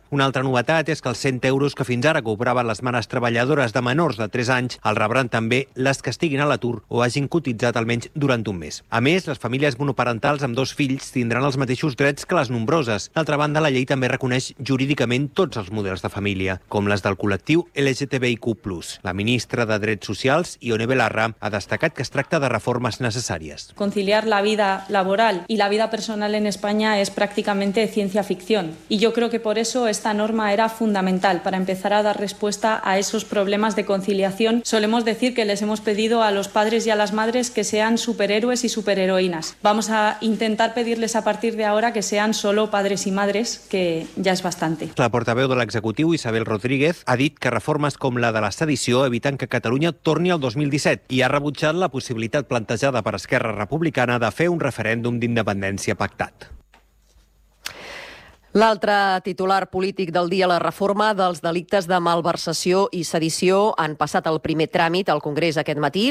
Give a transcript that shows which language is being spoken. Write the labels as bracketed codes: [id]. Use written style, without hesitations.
[ca] Una altra novetat és que els 100 euros que fins ara cobraven les mares treballadores de menors de 3 anys els rebran també les que estiguin a l'atur o hagin cotitzat almenys durant un mes. A més, les famílies monoparentals amb dos fills tindran els mateixos drets que les nombroses. D'altra banda, la llei també reconeix jurídicament tots els models de família, com les del col·lectiu LGTBIQ+. La ministra de Drets Socials, Ione Belarra, ha destacat que es tracta de reformes necessàries. [es] Conciliar la vida laboral y la vida personal en España es prácticamente ciencia ficción. Y yo creo que por eso esta norma era fundamental para empezar a dar respuesta a esos problemas de conciliación. Solemos decir que les hemos pedido a los padres y a las madres que sean superhéroes y superheroínas. Vamos a intentar pedirles a partir de ahora que sean solo padres y madres, que ya es bastante. [ca] La portaveu de l'executiu, Isabel Rodríguez, ha dit que reformes com la de la sedició eviten que Catalunya torni al 2017 i ha rebutjat la possibilitat plantejada per Esquerra Republicana de fer un referèndum d'independència pactat. L'altre titular polític del dia, la reforma dels delictes de malversació i sedició, han passat el primer tràmit al Congrés aquest matí.